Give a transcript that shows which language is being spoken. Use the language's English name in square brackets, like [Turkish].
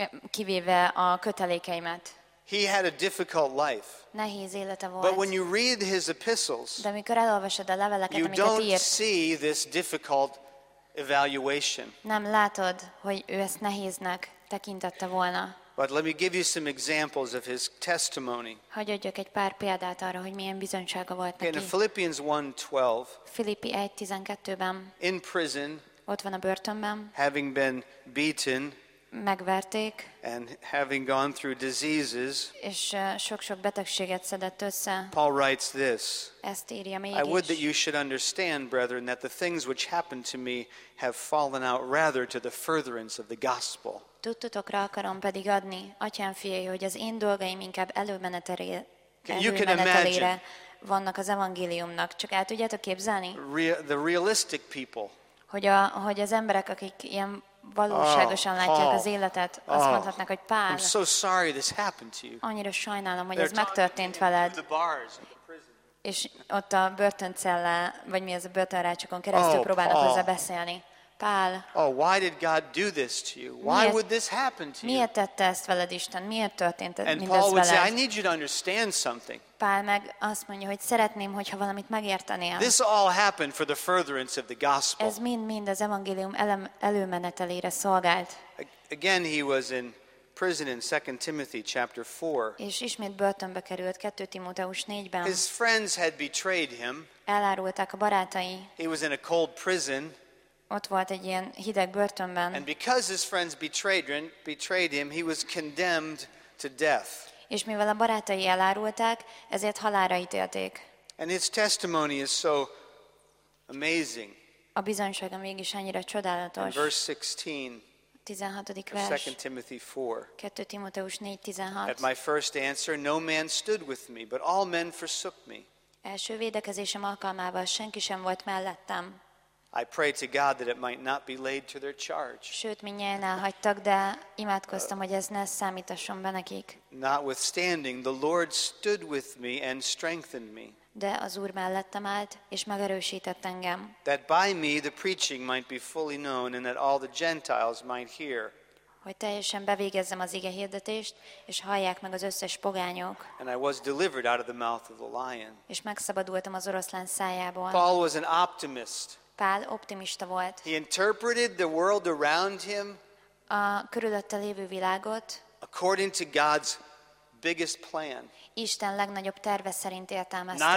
[Hungarian] Kivéve a kötelékeimet. [English] He had a difficult life. [Hungarian] Nehéz élete volt. [English] But when you read his epistles, [Hungarian] de amikor elolvasod a leveleket, [English] you don't [Hungarian] írt, [English] see this difficult evaluation. [Hungarian] Nem látod, hogy ő ezt nehéznek tekintette volna. [English] But let me give you some examples of his testimony. [Hungarian] Hogy adjak egy pár példát arra, hogy milyen bizonysága volt neki. [English] In Philippians 1:12, [Hungarian] Filippi 1:12-ben, [English] in prison, [Hungarian] ott van a börtönben, [English] having been beaten, [Hungarian] megverték, [English] and having gone through diseases, [Hungarian] és sok-sok betegséget szedett össze, [English] Paul writes this, [Hungarian] ezt írja mégis, [English] I would that you should understand, brethren, that the things which happened to me have fallen out rather to the furtherance of the gospel. [Hungarian] Tudtotokra akarom pedig adni, atyám fiai, hogy az én dolgaim inkább előmenetelére vannak az evangéliumnak. Csak el tudjátok képzelni? [English] The realistic people. [Hungarian] Hogy az emberek, akik ilyen valóságosan látják az életet, azt mondhatnak, hogy Pál, [English] I'm so sorry this happened to you. [Hungarian] Annyira sajnálom, hogy ez megtörtént veled. És ott a börtöncella, vagy mi az a börtönrácsokon keresztül próbálnak hozzá beszélni. Pál, [English] why did God do this to you? Why would this happen to you? [Hungarian] Miért tette ezt veled, Isten? Miért történt ez mindez veled? [English] And Paul would say, I need you to understand something. [Hungarian] Pál meg azt mondja, hogy szeretném, hogyha valamit megértenél. [English] This all happened for the furtherance of the gospel. [Hungarian] Ez mind az evangélium előmenetelére szolgált. [English] Again, he was in prison in 2 Timothy chapter 4. [Hungarian] És ismét börtönbe került 2 Timóteus 4-ben. [English] His friends had betrayed him. [Hungarian] Elárulták a barátai. [English] He was in a cold prison. [Hungarian] Ott volt egy ilyen hideg börtönben. [English] And because his friends betrayed him, he was condemned to death. [Hungarian] És mivel a barátai elárulták, ezért halálra ítélték. [English] And his testimony is so amazing. [Hungarian] A bizonysága mégis annyira csodálatos. [English] And verse 16. [Hungarian] 16. vers. [English] 2 Timothy 4. [Hungarian] 2 Timóteus 4:16. [English] At my first answer, no man stood with me, but all men forsook me. [Hungarian] Első védekezésem alkalmával senki sem volt mellettem. [English] I pray to God that it might not be laid to their charge. [Hungarian] Sőt, minnyáján elhagytak, de imádkoztam, hogy ez ne számítasson be nekik. [English] Notwithstanding, the Lord stood with me and strengthened me. [Hungarian] De az Úr mellettem állt, és megerősített engem. [English] That by me the preaching might be fully known and that all the Gentiles might hear. [Hungarian] Hogy teljesen bevégezzem az ige hirdetést, és hallják meg az összes pogányok. [English] And I was delivered out of the mouth of the lion. [Hungarian] És megszabadultam az oroszlán szájából. [English] Paul was an optimist. [Hungarian] Pál optimista volt. [English] He interpreted the world around him [Hungarian] a körülötte lévő világot [English] according to God's biggest plan. [Hungarian] Isten legnagyobb terve szerint értelmezte.